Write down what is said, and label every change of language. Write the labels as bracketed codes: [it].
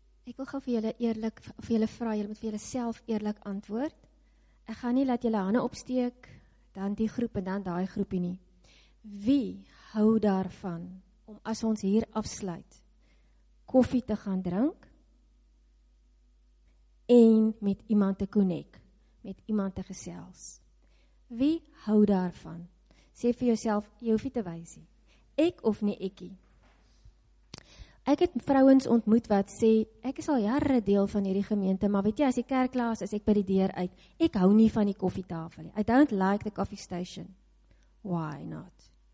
[af] Ek wil gou vir julle eerlik, vir julle vra, julle moet vir julle self eerlik antwoord. Ek gaan nie laat julle hande opsteek, dan die groep en dan die groepie nie. Wie hou daarvan, om as ons hier afsluit, koffie te gaan drink, en met iemand te connect, met iemand te gesels. Wie hou daarvan? Sê vir jouself, jy hoef nie te wys nie. Ek of nie ekkie? Ek het vrouens ontmoet wat sê, ek is al jare deel van hierdie gemeente, maar weet jy, as die kerk klaar is, as ek by die deur uit, ek hou nie van die koffietafel nie. [en] I don't like the coffee station. Why not?